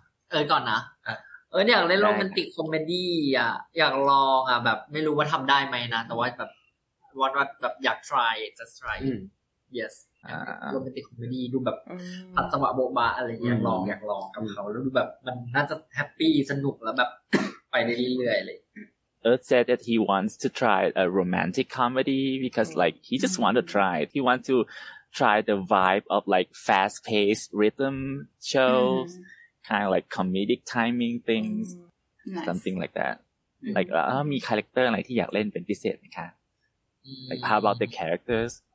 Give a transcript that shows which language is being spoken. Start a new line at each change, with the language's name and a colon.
Thai: เอ้ยก่อนนะเอ้ยอยากเล่นโรแมนติกคอมเมดี้อยากลองแบบไม่รู้ว่าทำได้ไหมนะแต่ว่าแบบวันแบบอยาก
English: try yes
Thai: โรแมนติกคอมเมดี้ดูแบบผัดจังหวะโบ๊ะบ๊ะอะไรอยากลองกับเขาแล้วดูแบบมันน่าจะแฮปปี้สนุกแล้วแบบ ไปเรื่อยๆเลย
English: Earth said that he wants to try a romantic comedy because like he just want to try it. He want to try the vibe of like fast paced rhythm showskind of like comedic timing things nice. something like that mm-hmm.
Thai: like มีคาแรคเตอร์อะไรที่อยากเล่นเป็นพิเศษไหมคะ
English: like how about the characters